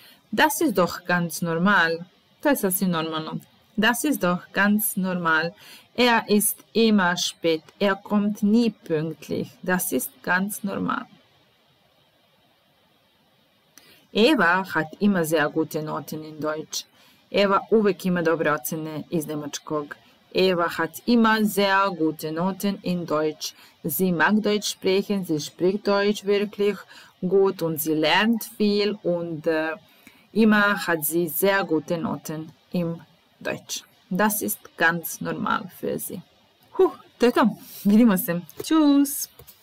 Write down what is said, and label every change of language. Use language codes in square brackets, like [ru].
[de] Das ist doch ganz normal. To je sasvim normalno. Das ist doch ganz normal. Er ist immer spät. Er kommt nie pünktlich. Das ist ganz normal. Eva hat immer sehr gute Noten in Deutsch. [sr] Eva uvek ima dobre ocene iz nemačkog. [de] Eva hat immer sehr gute Noten in Deutsch. Sie mag Deutsch sprechen, sie spricht Deutsch wirklich gut und sie lernt viel und immer hat sie sehr gute Noten im Deutsch. Das ist ganz normal für sie. Huh, to je to. Vidimo se. Tschüss.